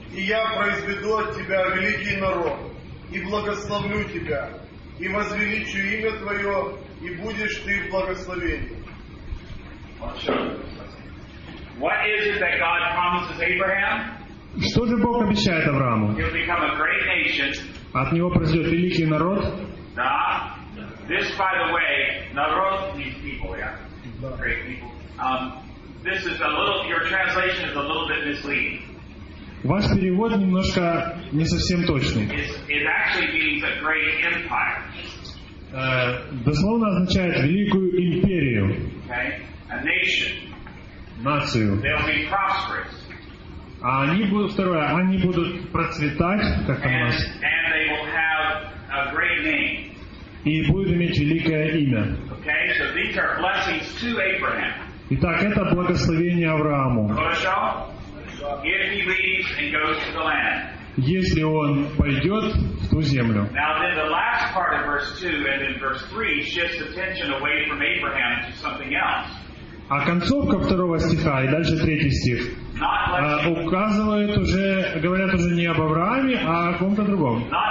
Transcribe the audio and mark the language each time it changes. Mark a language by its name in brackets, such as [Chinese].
[Russian] И я произведу от тебя великий народ, и благословлю тебя, и возвеличу имя твое, и будешь ты в благословении. [English] What is it that God promises Abraham? [Russian] Что же Бог обещает Аврааму? [English] He'll become a great nation. [Russian] От него произойдет великий народ. Да. [English] This, by the way, народ means people, yeah. Great people. This is a little. Your translation is a little bit misleading. [Russian] Ваш перевод немножко не совсем точный. [English] It actually means a great empire. [Russian] Дословно означает великую империю. [English] Okay. A nation. [Russian] Нацию. [English] They'll be prosperous. [Russian] А они будут, второе, они будут процветать, как там у нас. [English] And they will have a great name. [Russian] И будут иметь великое имя. [English] Okay, so these are blessings to Abraham. [Russian] Итак, это благословение Аврааму. [English] If he leaves and goes to the land. [Russian] Если он пойдет в ту землю. [English] Now then the last part of verse 2 and then verse 3 shifts attention away from Abraham to something else. [Russian] А концовка второго стиха и дальше третий стих указывают уже, говорят уже не об Аврааме, а о ком-то другом.